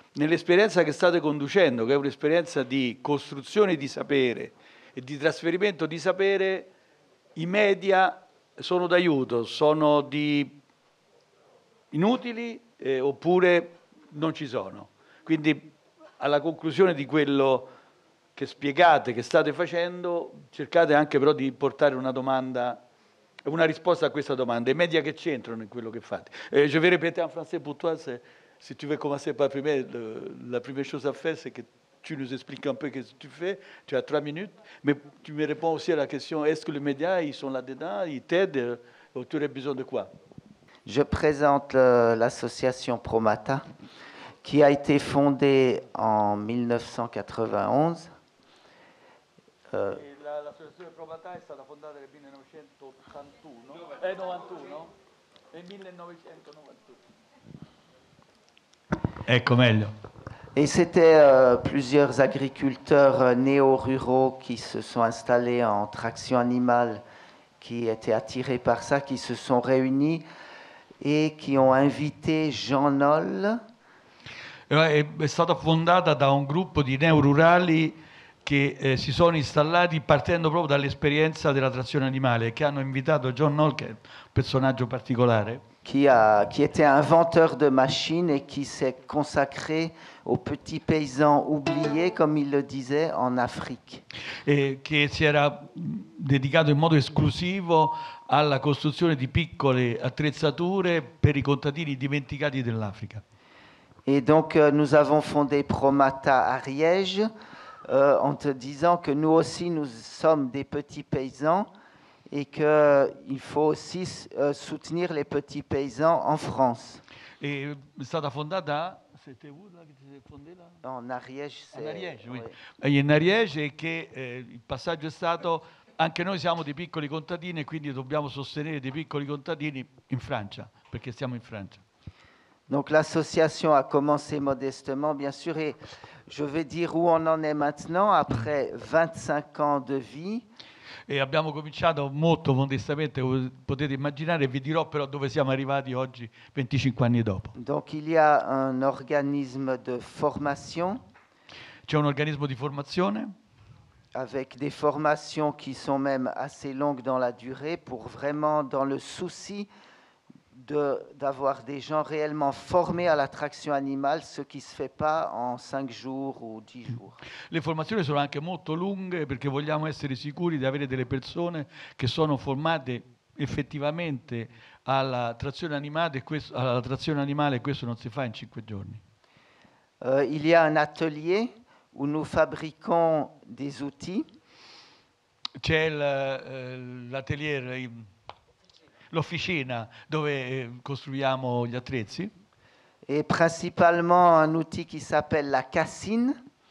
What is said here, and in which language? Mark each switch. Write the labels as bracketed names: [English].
[Italian] Nell'esperienza che state conducendo, che è un'esperienza di costruzione di sapere e di trasferimento di sapere, i media sono d'aiuto, sono di inutili oppure non ci sono? Quindi alla conclusione di quello che spiegate, che state facendo, cercate anche però di portare una domanda, una risposta a questa domanda. I media che c'entrano in quello che fate? [French] Je vais répéter en français pour toi, si tu veux commencer par la prima chose à faire, c'est que tu nous expliques un peu ce que tu fais. Tu as 3 minutes, mais tu me réponds aussi à la question, est-ce que les médias, ils sont là-dedans, ils t'aident, ou tu aurais besoin de quoi? Je présente l'association Promata, qui a été fondée en 1991. [Italian] L'association Promata è stata fondata nel 1991. E 1991. Ecco meglio. [French] Et c'était plusieurs agriculteurs néo-ruraux qui se sont installés en traction animale, qui étaient attirés par ça, qui se sont réunis et qui ont invité Jean Noll. [Italian] È stata fondata da un gruppo di neorurali che si sono installati partendo proprio dall'esperienza della trazione animale, che hanno invitato John Noll, che è un personaggio particolare. [French] Qui était inventeur de machines et qui s'est consacré aux petits paysans oubliés, comme il le disait, en Afrique. [Italian] E che si era dedicato in modo esclusivo alla costruzione di piccole attrezzature per i contadini dimenticati dell'Africa. [French] Et donc nous avons fondé Promata à Riège en te disant que nous aussi nous sommes des petits paysans et que il faut aussi soutenir les petits paysans en France. [Italian] Et stata fondata, [French] c'était où là [Italian] che ti sei fondata? [French] En Ariège, c'est. En Ariège, oui. Oui. En Ariège, et que [Italian] il passaggio è stato anche noi siamo dei piccoli contadini e quindi dobbiamo sostenere dei piccoli contadini in Francia, perché siamo in Francia. [French] Donc l'association a commencé modestement, bien sûr, et je vais dire où on en est maintenant, après 25 ans de vie. [Italian] E abbiamo cominciato molto modestamente, come potete immaginare, e vi dirò però dove siamo arrivati oggi, 25 anni dopo. [French] Donc il y a un organisme de formation. [Italian] C'è un organismo di formazione. [French] Avec des formations qui sont même assez longues dans la durée, pour vraiment dans le souci d'avoir des gens réellement formés à l'attraction animale, ce qui se fait pas en 5 jours ou 10 jours. [Italian] Le formazioni sono anche molto lunghe perché vogliamo essere sicuri di avere delle persone che sono formate effettivamente alla trazione animale, questo non si fa in 5 giorni. [French] Il y a un atelier où nous fabriquons des outils. [Italian] C'è l'atelier, l'officina dove costruiamo gli attrezzi. [French] Et principalement un outil qui s'appelle la cassine.